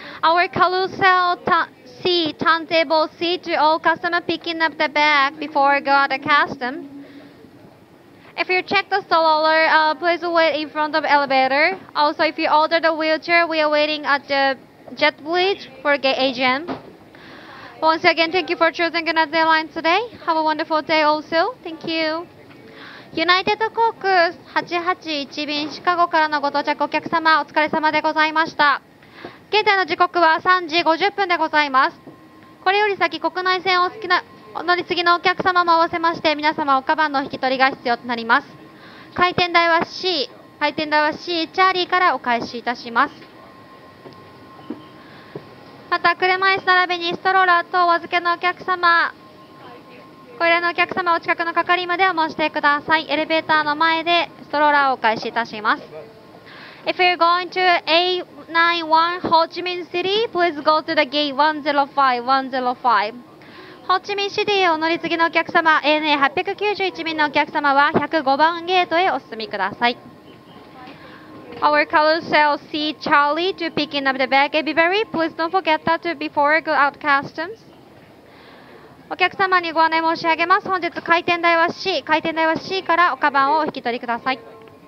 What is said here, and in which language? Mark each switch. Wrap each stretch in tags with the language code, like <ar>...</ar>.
<en>Our carousel turntable C to all customers picking up the bag before go out of custom. If you check the stroller, please wait in front of elevator. Also, if you order the wheelchair, we are waiting at the jet bridge for gate agent. Once again, thank you for choosing United Airlines today. Have a wonderful day also. Thank you.</en> <ja>United 航空881便シカゴからのご到着お客様、お疲れ様でございました。現在の時刻は3時50分でございます。これより先、国内線をお好きな乗り継ぎのお客様も合わせまして、皆様おカバンの引き取りが必要となります。回転台は C、回転台は C、チャーリーからお返しいたします。また、車椅子並びにストローラー等お預けのお客様、これらのお客様、お近くの係までお申し出ください。エレベーターの前でストローラーをお返しいたします。</ja> <en>If you're going to A91 Ho Chi Minh City, please go to the gate 105-105.</en> <ja>Ho Chi Minh City お乗り継ぎのお客様、ANA891 便のお客様は105番ゲートへお進みください。</ja> <en>Our carousel C Charlie to picking up the bag everybody. Please don't forget that to before go out customs.</en> <ja>お客様にご案内申し上げます。本日回転台は C、回転台は C からおカバンをお引き取りください。</ja>